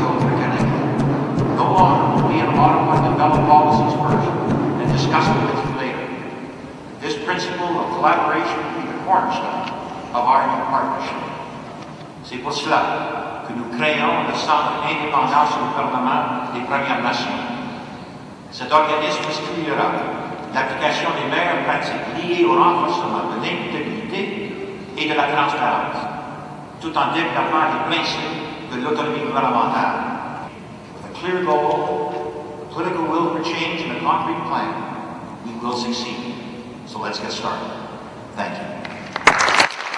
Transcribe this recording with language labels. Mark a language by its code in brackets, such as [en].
[en] No longer will we in Ottawa develop policies first and discuss them with you later. This principle of collaboration will be the cornerstone of our new partnership. [fr] C'est pour cela que nous créons le Centre indépendant sur le gouvernement des Premières Nations. Cet organisme stimulera l'application des meilleures pratiques liées au renforcement de l'intégrité et de la transparence, tout en développant les principes de l'autonomie gouvernementale. [en] Clear goal, political will for change, and a concrete plan, we will succeed. So let's get started. Thank you.